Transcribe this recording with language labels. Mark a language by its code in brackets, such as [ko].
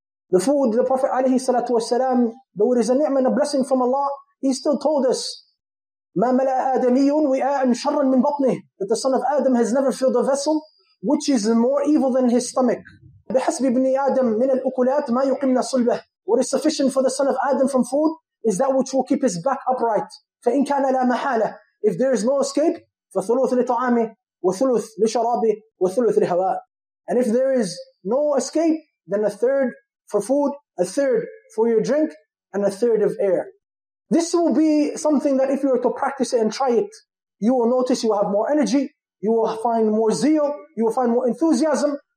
[en] The food, the Prophet alayhi salatu wasalam, though it is a ni'mah and a blessing from Allah, he still told us, [ar] مَا مَلَا آدَمِيٌ وِآءٌ شَرًّا مِنْ بَطْنِهِ. [en] That the son of Adam has never filled a vessel which is more evil than his stomach. [ar] بِحَسْبِ بْنِي آدَم مِنَ الْأُكُلَاتِ مَا يُقِمْنَا صُلْبَهِ. What is sufficient for the son of Adam from food is that which will keep his back upright. فَإِنْ كَانَ لَا مَحَالَ. [en] If there is no escape, [ar] فَثُلُثْ لِطَعَامِ وَثُلُثْ لِشَرَابِ وَثُلُثْ لِهَوَاء. [en] And if there is no escape, then a third for food, a third for your drink, and a third of air. This will be something that if you were to practice it and try it, you will notice you have more energy, you will find more zeal, you will find more enthusiasm.